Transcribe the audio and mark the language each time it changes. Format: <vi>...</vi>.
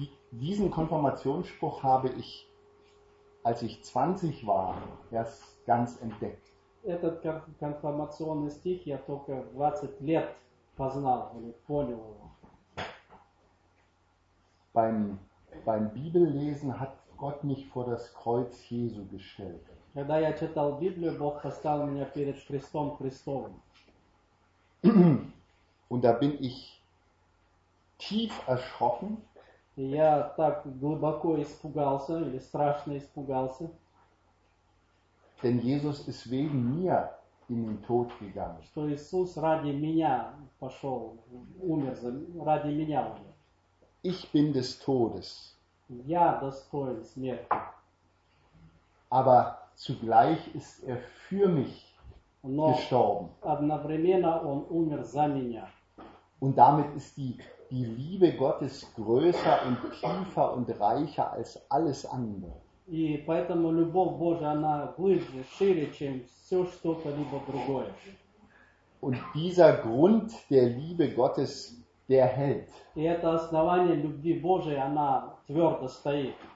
<de>Diesen Konfirmationsspruch habe ich, als ich 20 war, erst ganz entdeckt.</de> <ru>Этот конфирмационный стих я только 20 лет познал или понял его.</ru> <de>Beim Bibellesen hat Gott mich vor das Kreuz Jesu gestellt.</de> <ru>Когда я читал Библию, Бог поставил меня перед Христом Христовым.</ru> <de>Und da bin ich tief erschrocken.</de> <ru>Я так глубоко испугался или страшно испугался.</ru> <de>Denn Jesus ist wegen mir in den Tod gegangen.</de> <ru>Что Иисус ради меня пошел, умер ради меня.</ru> <de>Ich bin des Todes.</de> <ru>Я достоин смерти.</ru> <de>Aber zugleich ist er für mich gestorben.</de> <ru>Одновременно он умер за меня.</ru> <de>Und damit ist die Liebe Gottes größer und tiefer und reicher als alles andere.</de> <ru>И поэтому любовь Божия, она глубже, шире, чем все что-либо другое.</ru> <de>Und dieser Grund der Liebe Gottes, der hält.</de> <ru>И это основание любви Божией, она твердо стоит.</ru>